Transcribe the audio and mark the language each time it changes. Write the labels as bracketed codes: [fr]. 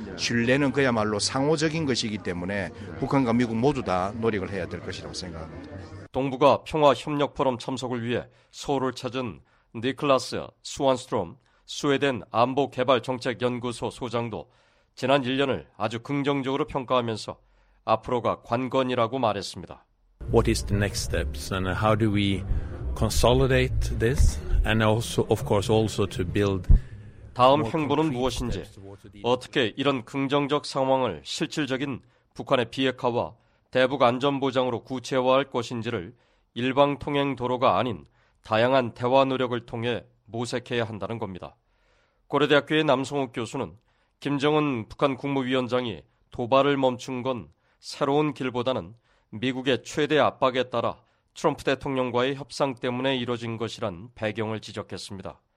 [ko] 신뢰는 그야말로 상호적인 것이기 때문에 북한과 미국 모두 다 노력을 해야 될 것이라고 생각합니다. 동북아 평화협력포럼 참석을 위해 서울을 찾은 니클라스 스완스트롬 스웨덴 안보개발정책연구소 소장도 지난 1년을 아주 긍정적으로 평가하면서 앞으로가 관건이라고 말했습니다. [en] What is the next steps and how do we consolidate this and also of course also to build [ko] 다음 행보는 무엇인지 어떻게 이런 긍정적 상황을 실질적인 북한의 비핵화와 대북 안전 보장으로 구체화할 것인지를 일방 통행 도로가 아닌 다양한 대화 노력을 통해 모색해야 한다는 겁니다. 고려대학교의 남성욱 교수는 김정은 북한 국무위원장이 도발을 멈춘 건 새로운 길보다는 미국의 최대 압박에 따라 트럼프 대통령과의 협상 때문에 이뤄진 것이란 배경을 지적했습니다.